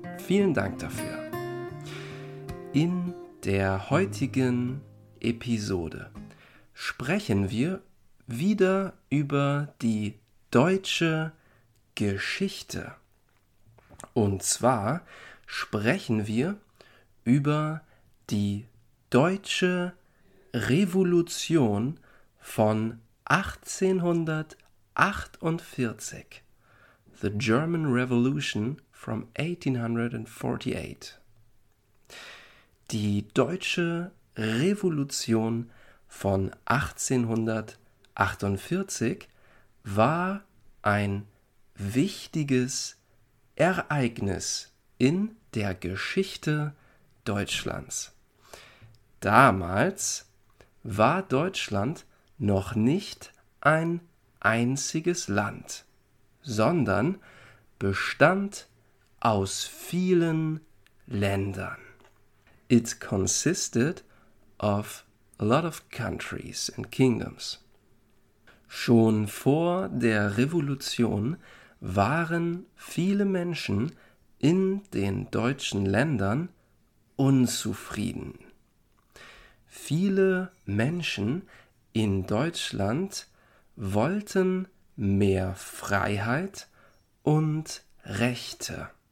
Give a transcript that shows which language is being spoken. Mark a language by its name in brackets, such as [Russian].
[German] Vielen Dank dafür. In der heutigen Episode sprechen wir wieder über die deutsche Geschichte. Und zwar sprechen wir über die deutsche Revolution von 1848. [English] The German Revolution from 1848. [German] Die deutsche Revolution von 1848 war ein wichtiges Ereignis in der Geschichte Deutschlands. Damals war Deutschland noch nicht ein einziges Land, sondern bestand aus vielen Ländern. [English] It consisted of a lot of countries and kingdoms. [German] Schon vor der Revolution waren viele Menschen in den deutschen Ländern unzufrieden. Viele Menschen in Deutschland wollten mehr Freiheit und Rechte.